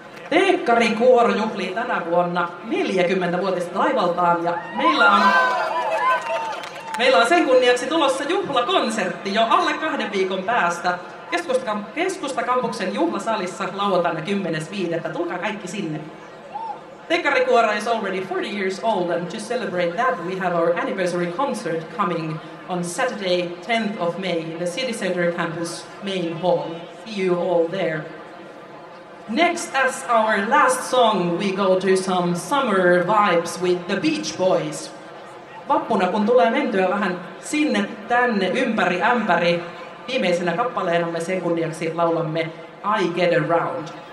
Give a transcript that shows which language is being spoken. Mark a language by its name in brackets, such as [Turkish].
[Finnish] Teekkarikuoro juhlii tänä vuonna 40-vuotista taivaltaan ja meillä on sen kunniaksi tulossa juhlakonsertti jo alle kahden viikon päästä keskustakampuksen juhlasalissa lauantaina 10.5. Tulkaa kaikki sinne. [English] Teekkarikuoro is already 40 years old and to celebrate that we have our anniversary concert coming on Saturday 10th of May in the City Center Campus Main Hall. See you all there. Next, as our last song, we go to some summer vibes with the Beach Boys. [Finnish] Vappuna, kun tulee mentyä vähän sinne tänne ympäri ämpäri, viimeisenä kappaleenamme sen kunniaksi laulamme I Get Around.